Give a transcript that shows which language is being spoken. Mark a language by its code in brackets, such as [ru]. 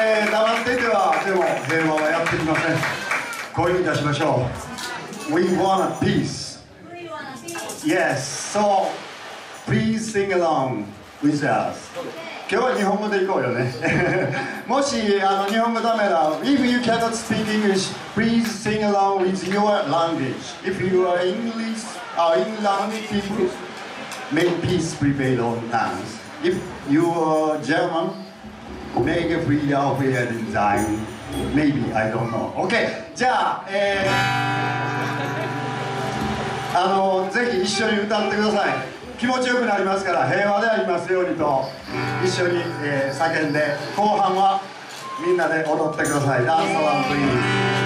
[ja] 黙っていてはでも平和はやってきません。こういうふうにいたしましょう。 [en] We want peace. We want peace. Yes. So please sing along with us. [ja] 今日は日本語で行こうよね。もしあの日本語ダメだ、 [en] If you cannot speak English, please sing along with your language. If you are English, English people, make peace prevail on earth. If you are German, make a free of air in Zion. Maybe, I don't know. [ja] Okay, じゃあ、あのぜひ一緒に歌ってください。気持ちよくなりますから、平和でありますようにと一緒に、叫んで、後半はみんなで踊ってください。ダンスワンプリーズ。